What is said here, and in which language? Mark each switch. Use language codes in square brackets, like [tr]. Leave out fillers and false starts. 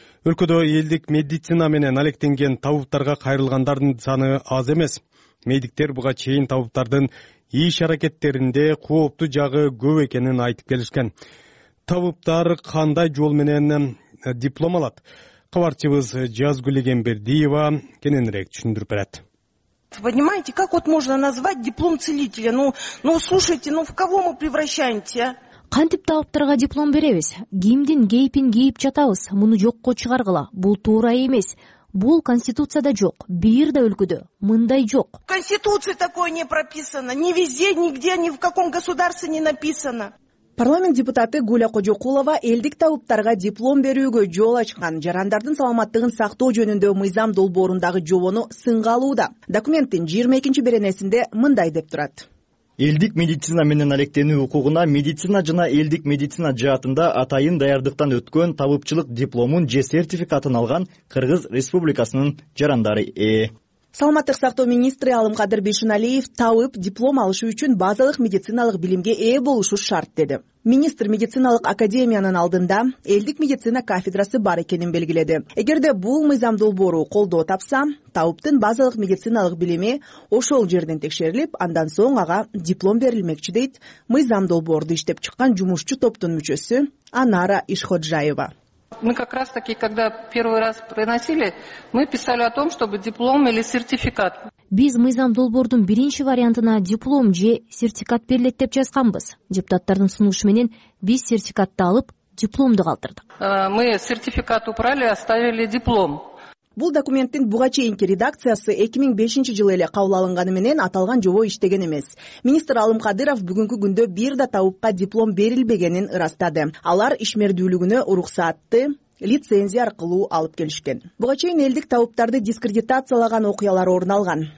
[ky] Өлкөдө элдик медицина менен алектенген табыптарга кайрылгандардын саны аз эмес. Медиктер буга чейин табыптардын иш аракеттеринде кооптуу жагы көп экенин айтып келишкен. Табыптар кандай жол менен диплом алат? Кабарчыбыз Жазгүл Эгембердиева кененирээк түшүндүрүп берет. [ru] Вы понимаете, как вот можно назвать диплом целителя? Ну слушайте, ну в кого мы превращаемся? [ky] Кантип табыптарга диплом беребиз? Кимдин кейпин кийип жатабыз? Муну жокко чыгаргыла. Бул туура эмес. Бул конституцияда жок. Бир да өлкөдө мындай жок. [ru] В конституции такое не прописано. Ни везде, нигде, ни в каком государстве не написано. [ky] Парламент депутаты Гуля Кожокулова элдик табыптарга диплом берүүгө жол ачкан жарандардын саламаттыгын сактоо жөнүндө мыйзам долбоорундагы жобону сынга алууда. Документтин 22-чи беренесинде мындай деп турат. Элдик медицина менен алектенүү укугуна медицина жана элдик медицина жаатында атайын даярдыктан өткөн табыпчылык дипломун же сертификатын алган Кыргыз Республикасынын жарандары ээ. Салматтык сактоо министри Алымкадыр Бейшиналиев тавып диплом алышы үчүн базалык медициналык билимге ээ болушу шарт деди. Министр медициналык академиянын алдында элдик медицина кафедрасы бар экенин белгиледи. Эгерде бул мыйзам долбоору колдоо тапса, тавыптын базалык медициналык билими ошол жерден текшерилип, андан соң ага диплом берилмекчи дейт мыйзам долбоорду иштеп чыккан жумушчу топтун мүчөсү Анара Ишходжаева. [ru] Мы как раз таки, когда первый раз приносили, мы писали о том, чтобы диплом или сертификат. [ky] Биз мыйзам долбоордун биринчи вариантына диплом же сертификат берилет деп жазганбыз. Депутаттардын сунушу менен биз сертификатты алып, дипломду калтырдык. [ru] Мы сертификат убрали, оставили диплом. [ky] Бул документтин буга чейинки редакциясы 2005 жылы эле кабыл алынганы менен аталган жобо иштеген эмес. Министр Алымкадыров бүгүнкү күндө бир да тавыпка диплом берилбегенин ырастады. Алар ишмердүүлүгүнө уруксаатты лицензия аркылуу алып келишкен. Буга чейин элдик тавыптарды дискредитациялаган окуялар орун алган.